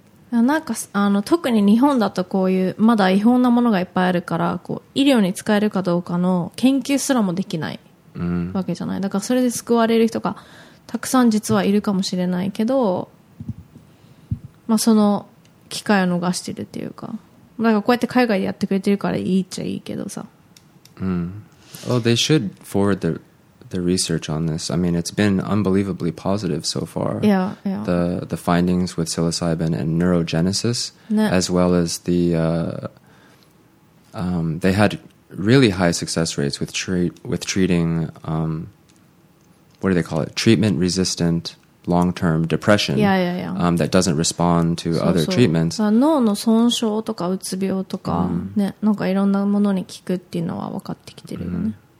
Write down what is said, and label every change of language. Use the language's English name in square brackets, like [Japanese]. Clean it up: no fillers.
[Japanese] なんか、あの、特に日本だとこういうまだ違法なものがいっぱいあるから、こう、医療に使えるかどうかの研究すらもできないわけじゃない。だからそれで救われる人がたくさん実はいるかもしれないけど、まあ、その機会を逃してるっていうか、なんかこうやって海外でやってくれてるからいいっちゃいいけどさ。 [English] Well, they should forward the research on this. I mean, it's been unbelievably positive so far. Yeah, yeah. The findings with psilocybin and neurogenesis, [Japanese] ね、 [English] as well as the they had really high success rates with treating what do they call it? Treatment resistant. Long-term depression that doesn't respond to other treatments. [Japanese] 脳の損傷とかうつ病とか、ね、なんかいろんなものに効くっていうのは分かってきてるよね。